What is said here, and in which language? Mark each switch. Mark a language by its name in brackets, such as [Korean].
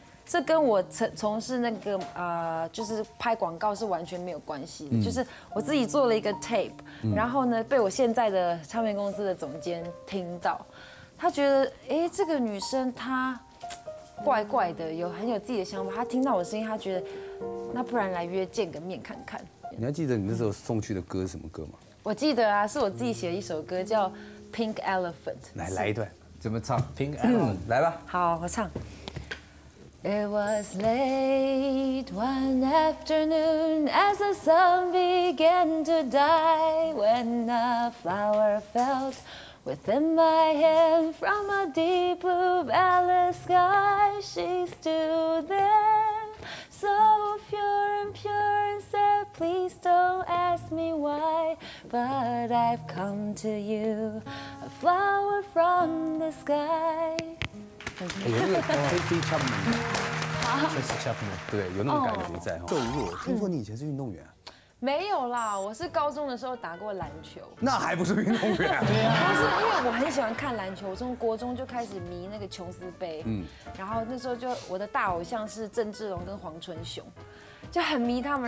[Chinese] 这跟我从事那个就是拍广告是完全没有关系的，就是我自己做了一个 tape， 然后呢被我现在的唱片公司的总监听到，他觉得哎这个女生她怪怪的，有很有自己的想法，她听到我的声音，她觉得那不然来约见个面看看。你还记得你那时候送去的歌是什么歌吗？我记得啊，是我自己写的一首歌叫 Pink Elephant。来一段，怎么唱 Pink Elephant？来吧。好，我唱。 [English] It was late one afternoon as the sun began to die when a flower fell within my hand from a deep blue velvet sky. She stood there so pure and pure and said, please don't ask me why, but I've come to you, a flower from the sky. [Chinese] 有那个 Tracy Chapman， Tracy Chapman， 对，有那种感觉在。哦，听说你以前是运动员。没有啦，我是高中的时候打过篮球。那还不是运动员？对啊。但是因为我很喜欢看篮球，我从国中就开始迷那个琼斯杯。嗯。然后那时候就我的大偶像是郑志龙跟黄春雄，就很迷他们。